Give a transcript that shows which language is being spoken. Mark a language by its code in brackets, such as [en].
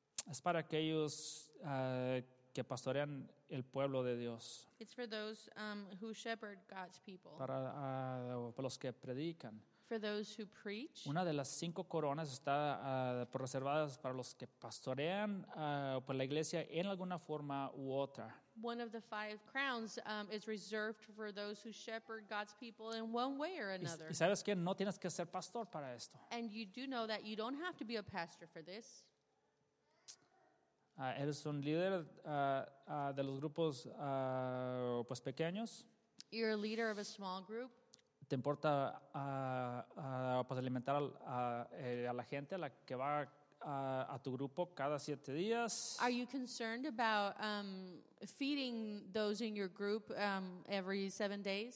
[es] Es para aquellos que pastorean el pueblo de Dios. [en] It's for those who shepherd God's people. [es] Para los que predican. [en] For those who preach. [es] Una de las cinco coronas está reservadas para los que pastorean por la iglesia en alguna forma u otra. [en] One of the five crowns is reserved for those who shepherd God's people in one way or another. [es] ¿Y sabes qué? No tienes que ser pastor para esto. [en] And you do know that you don't have to be a pastor for this. [es] Eres un líder de los grupos pues pequeños. [en] You're a leader of a small group. [es] ¿Te importa pues alimentar a la gente a la que va a tu grupo cada siete días? [en] Are you concerned about feeding those in your group every 7 days?